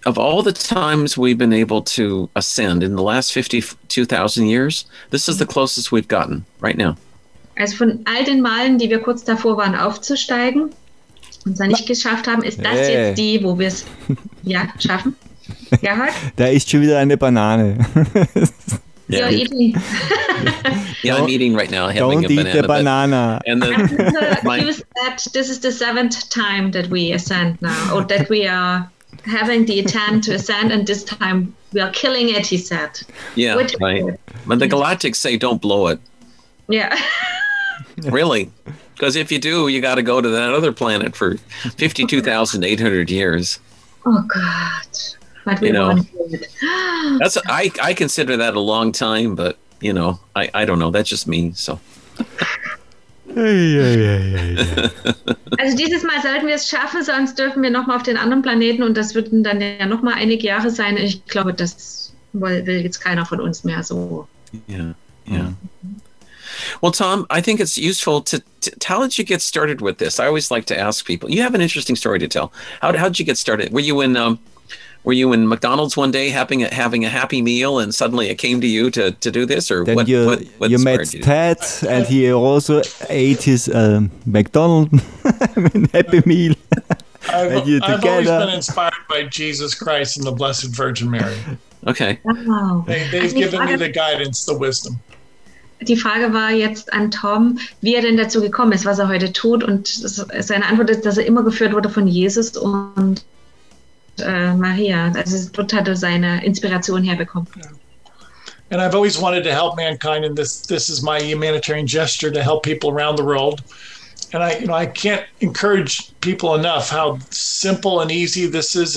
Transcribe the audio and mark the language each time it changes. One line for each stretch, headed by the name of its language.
English: of all the times we've been able to ascend in the last 52,000 years, this is the closest we've gotten right now.
German: Also von all den Malen, die wir kurz davor waren, aufzusteigen und es nicht geschafft haben, ist das jetzt die, wo wir es ja, schaffen? Gerhard? Da ist schon wieder eine Banane.
English: Yeah, I'm eating right now. Don't eat the banana. And the, use that, this is the seventh time that we ascend now, or that we are having the attempt to ascend, and this time we are killing it, he said. Yeah, which right. But the Galactics say don't blow it. Yeah. Really? Because if you do, you got to go to that other planet for 52,800 years. Oh, God. You know, that's I consider that a long time, but you know, I don't know. That's just me. So.
German: Also dieses Mal sollten wir es schaffen, sonst dürfen wir noch mal auf den anderen Planeten und das würden dann ja noch mal einige Jahre sein. Ich glaube, das will jetzt keiner von uns mehr so.
English: Yeah. Well, Tom, I think it's useful to how did you get started with this? I always like to ask people. You have an interesting story to tell. How did you get started? Were you in Were you in McDonald's one day having a happy meal and suddenly it came to you to do this? Or then you met Ted and he also ate his McDonald's happy meal. I've always been inspired by Jesus Christ and the Blessed Virgin Mary. Okay. Wow. They've given me the guidance, the wisdom.
German: Die Frage war jetzt an Tom, wie er denn dazu gekommen ist, was er heute tut. Und seine Antwort ist, dass er immer geführt wurde von Jesus und Maria, also dort hat er seine Inspiration herbekommen.
English: And I've always wanted to help mankind, and this is my humanitarian gesture to help people around the world. And I can't encourage people enough how simple and easy this is.